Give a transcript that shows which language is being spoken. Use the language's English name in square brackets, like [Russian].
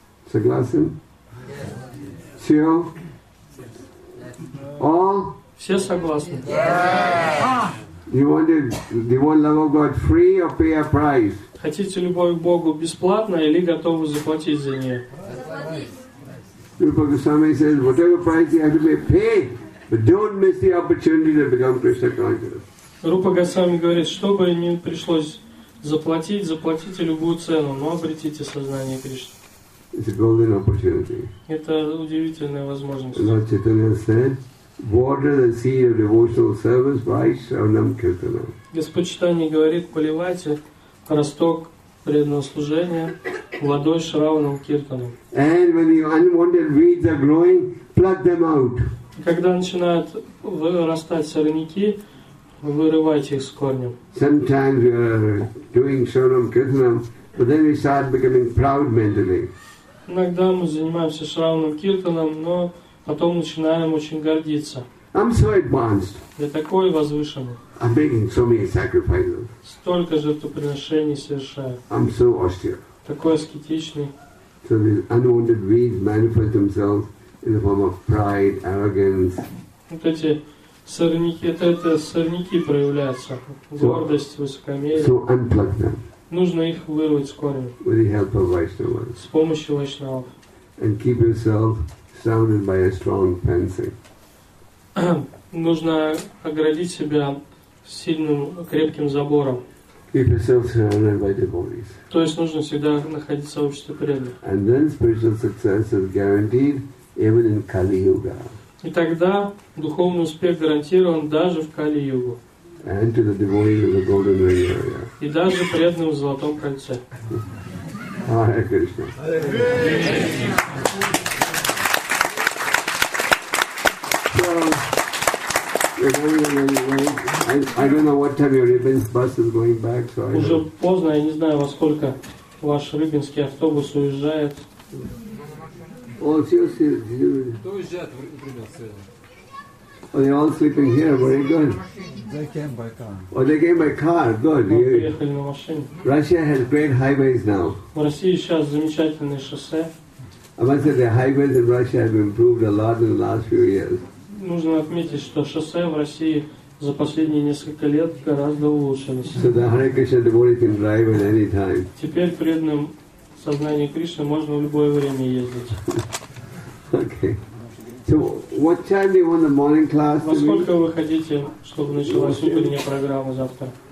[Russian] Согласен? Все? [English] Yes. [Russian] Все согласны? [English] Yeah. You want love of God free or pay a price? [Russian] Хотите любовь к Богу бесплатно или готовы заплатить за нее? [English] Rupa Goswami says, whatever price you have to pay, but don't miss the opportunity to become Krishna conscious. [Russian] Rupa Goswami говорит, чтобы не пришлось заплатить, заплатите любую цену, но обретите сознание Кришны. [English] It's a golden opportunity. [Russian] Это удивительная возможность. [English] Lord Chaitanya said, water the seed of devotional service by Sravanam Kirtanam. [Russian] Господь Читание говорит, поливайте росток преданного служения водой Шраванам Киртаном. [English] And when the unwanted weeds are growing, pluck them out. [Russian] Когда начинают вырастать сорняки, вырывайте их с корнем. [English] Sometimes we are doing Shravanam Kirtanam, but then we start becoming proud mentally. [Russian] Иногда мы занимаемся Шраванам Киртаном, но потом начинаем очень гордиться. [English] I'm so advanced. [Russian] Я такой возвышенный. [English] I'm making so many sacrifices. [Russian] Столько жертвоприношений совершаю. [English] I'm so austere. [Russian] Такой аскетичный. [English] So the unwanted weeds manifest themselves in the form of pride, arrogance. [Russian] Вот эти сорняки, это сорняки проявляются. Гордость, высокомерие. [English] So unplug them. [Russian] Нужно их вырвать с корнем. [English] With the help of Vaishnavas. [Russian] С помощью Вайшнавов. [English] And keep yourself surrounded by a strong fancy. [Russian] Нужно оградить себя сильным, крепким забором. [English] Keep yourself surrounded by devotees. [Russian] То есть нужно всегда находиться в обществе преданных. [English] And then spiritual success is guaranteed even in Kali Yuga. [Russian] И тогда духовный успех гарантирован даже в Кали Югу. [English] And to the devotees of the Golden Ring area. [Russian] И даже преданным в Золотом кольце. [English] Hare Krishna. I don't know what time your Rybinsk bus is going back. So [Russian] уже поздно, я не знаю, во сколько ваш рыбинский автобус уезжает. [English] Oh, see. [Russian] Кто уезжает в Рыбинск? [English] Oh, they're all sleeping here. Where are you going? They came by car. Oh, they came by car. Good. You... Russia has great highways now. I must say the highways in Russia have improved a lot in the last few years. [Russian] Нужно отметить, что шоссе в России за последние несколько лет гораздо улучшилось. [English] So the Hare Krishna devotee can drive at any time. [Russian] Теперь преданным в сознании Кришны можно в любое время ездить. [English] Okay. So what time do you want the morning class? [Russian] Во сколько вы хотите, чтобы началась утренняя программа завтра?